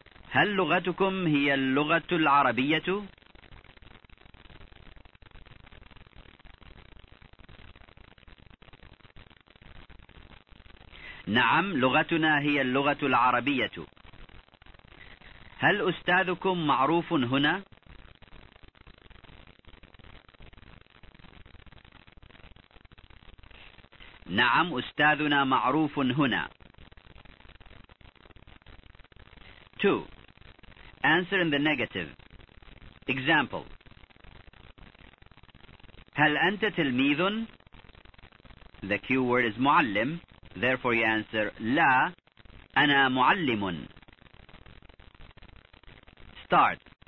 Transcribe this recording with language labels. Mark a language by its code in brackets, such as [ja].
[ar] هل لغتكم هي اللغة العربية؟ نعم، لغتنا هي اللغة العربية. هل أستاذكم معروف هنا؟ نعم، أستاذنا معروف هنا. [en] 2. Answer in the negative. Example. [ar] هل أنت تلميذ؟ [en] The Q word is معلم. Therefore you answer [ar] لا أنا معلم. [en] Start.